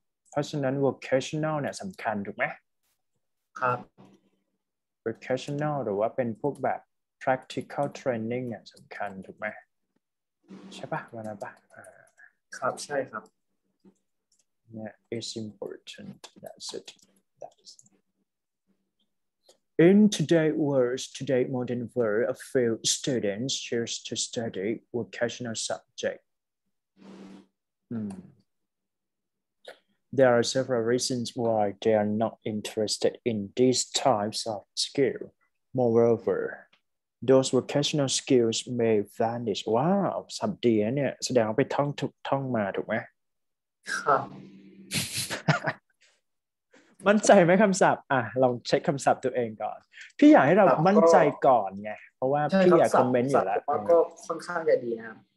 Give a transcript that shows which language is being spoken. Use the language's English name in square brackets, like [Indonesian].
[Thai] เพราะฉะนั้น vocational เนี่ยสำคัญถูกไหม ครับ vocational หรือว่าเป็นพวกแบบ practical training เนี่ยสำคัญถูกไหมใช่ป่ะวันนั้นป่ะ ครับใช่ครับ [English] เนี่ย it's important that's it in today modern world a few students choose to study vocational subject there are several reasons why they are not interested in these types of skill moreoverThose vocational skills may vanish. Wow, [Thai] สับเดียเนี่ยแสดงว่าไปท่องถูกท่องมาถูกไหม ครับ มั่นใจไหมคำศัพท์อ่ะลองเช็คคำศัพท์ตัวเองก่อนพี่อยากให้เรามั่นใจก่อนไงเพราะว่าพี่อยากคอมเมนต์อยู่แล้ว ก็ค่อนข้างจะดีนะ